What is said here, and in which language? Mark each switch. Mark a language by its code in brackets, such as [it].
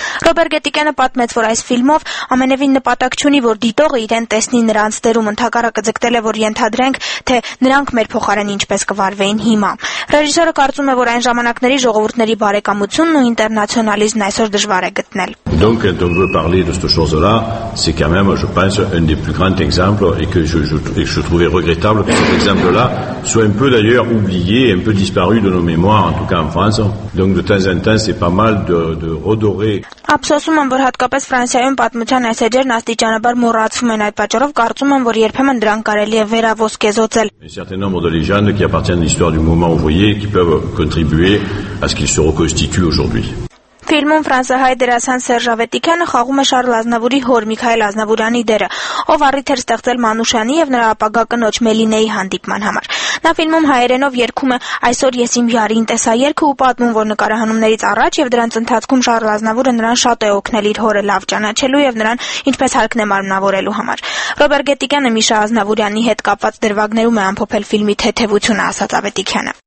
[hy] Ռոբեր Գետիկյանը պատմեց, որ այս ֆիլմով ամենևին նպատակ ունի, որ դիտողը իրեն տեսնի նրանց դերում, ընդհակառակը ձգտել է, որ ենթադրենք, թե նրանք մեր փոխարեն ինչպես կվարվեին հիմա։ Ռեժիսորը կարծում է, որ այն ժամանակների ժողովուրդների բարեկամությունը ու ինտերնացիոնալիզմն այսօր դժվար է գտնել։ [fr] Donc quand on veut parler de cette chose-là, c'est quand même, je pense, un des plus grands exemples et que je trouvais regrettable que cet exemple-là soit un peu d'ailleurs oublié, un peu disparu de nos mémoires, en tout cas en France. Donc de temps en temps, c'est pas mal de redorer. [hy] Ափսոսում եմ, որ հատկապես Ֆրանսիայում պատմության այս էջերն աստիճանաբար մոռացվում են, այդ պատճառով կարծում եմ, որ երբեմն դրանք կարելի է վերահոսկեզոծել։ [fr] Un certain nombre de légendes qui appartiennent à l'histoire du mouvement ouvrier qui peuvent contribuer à ce qu'il se reconstitue aujourd'hui. [hy] Ֆիլմում ֆրանսահայ դերասան Սերժ Ավետիքյանը խաղում է Շարլ Ազնավուրի հոր Միքայել Ազնավուրյանի դերը, ով առիթ էր ստեղծել Մանուշյանի եւ նրա ապագա կնոջ Մելինեի հանդիպման համար։ Նա ֆիլմում հայերենով երգում է «Այսօր ես իմ յարին տեսա» երգը ու պատմում, որ նկարահանումներից առաջ եւ դրանց ընթացքում Շարլ Ազնավուրը նրան շատ է օգնել իր հորը լավ ճանաչելու եւ նրան ինչպես հարկն է մարմնավորելու համար։ Ռոբեր Գետիկյանը Միշա Ազնավուրյանի հետ կապված դրվագներում է ամփոփել ֆիլմի թեթևությունը, ասաց Ավետիքյանը։